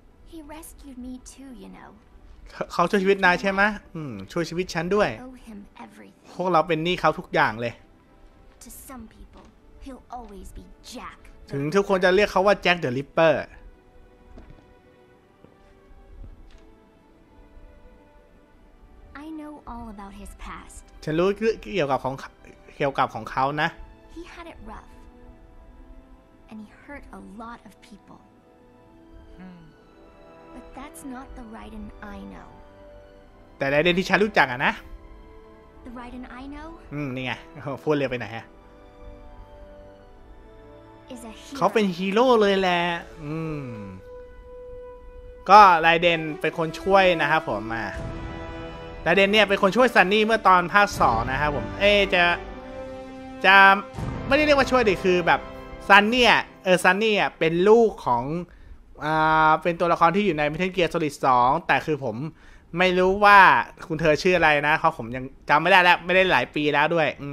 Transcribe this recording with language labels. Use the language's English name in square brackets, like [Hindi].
[English] He rescued me too, you know. [Thai] เขาช่วยชีวิตนายใช่ไหมช่วยชีวิตฉันด้วยพวกเราเป็นหนี้เขาทุกอย่างเลย [English] To some people, he'll always be Jack. [Thai] ถึงทุกคนจะเรียกเขาว่า Jack the Ripper [English] I know all about his past. [Thai] ฉันรู้เกี่ยวกับของเขานะ [English] He had it rough. And he hurt a lot of people. But that's not the Raiden I know. [Thai] แต่ Raiden ที่ฉันรู้จักอะนะ [English] The Raiden I know? [Thai] นี่ไงพูดเร็วไปไหนอะ [English] Is a hero. [Thai] เขาเป็นฮีโร่เลยแหละก็ Raiden เป็นคนช่วยนะครับผมมาแต่เดนเนี่ยเป็นคนช่วยซันนี่เมื่อตอนภาค2นะครับผมจะไม่ได้เรียกว่าช่วยดิคือแบบซันนี่ซันนี่เป็นลูกของเป็นตัวละครที่อยู่ในMetal Gear Solid 2แต่คือผมไม่รู้ว่าคุณเธอชื่ออะไรนะเพราะผมยังจำไม่ได้แล้วไม่ได้หลายปีแล้วด้วย